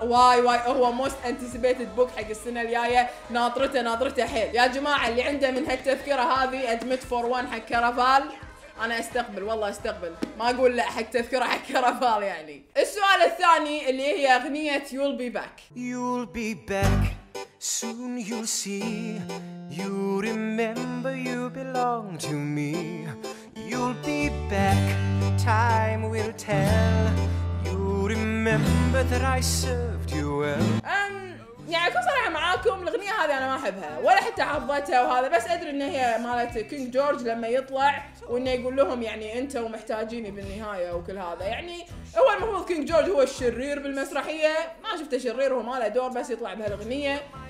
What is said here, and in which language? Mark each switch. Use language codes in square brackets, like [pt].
[ar] واي واي هو [en] most anticipated book [ar] حق السنة الجاية، ناطرته ناطرته حيل. يا جماعة اللي عنده من هالتذكرة هذه [en] admit for one [ar] حق كارافال، انا استقبل والله استقبل، ما اقول لا حق تذكره حق كارافال. يعني السؤال الثاني اللي هي اغنيه You'll Be Back. [en] You'll be back soon you'll see you remember you belong to me you'll be back time will tell you remember that I served you well. [ar] يعني أكون صراحة معاكم، الأغنية هذه أنا ما أحبها ولا حتى حفظتها وهذا، بس أدري إن هي مالت كينج جورج لما يطلع وإنه يقول لهم يعني أنتوا محتاجيني بالنهاية وكل هذا. يعني هو المفروض كينج جورج هو الشرير بالمسرحية، ما شفته شرير وما له دور بس يطلع بهالأغنية.